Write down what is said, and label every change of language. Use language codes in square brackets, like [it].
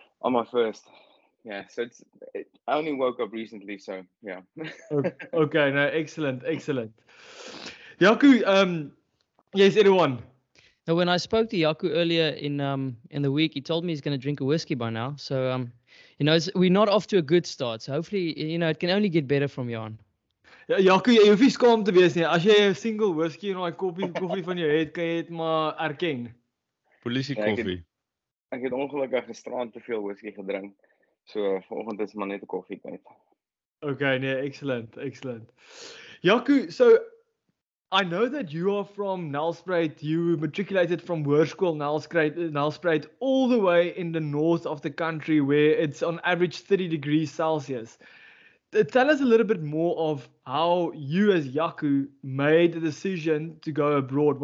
[en] On my first. Yeah, so I only woke up recently, so yeah. Okay, no, excellent. Jaco, yes, anyone? Now, when I spoke to Jaco earlier in the week, he told me he's going to drink a whiskey by now. So, we're not off to a good start. So hopefully, it can only get better from here on. [af] Jaco, jy hoef nie skaam te wees nie. As jy 'n single whiskey en 'n koffie van jou het, kan jy dit maar erken. Polisie koffie. Ja, ek het ongelukkig gisterand te veel whiskey gedrink. So vanoggend is maar net 'n koffie tyd. [en] Okay, nee, excellent. Jaco, so I know that you are from Nelspruit. You matriculated from Hoërskool Nelspruit all the way in the north of the country where it's on average 30 degrees Celsius. Tell us a little bit more of how you as Jaco made the decision to go abroad.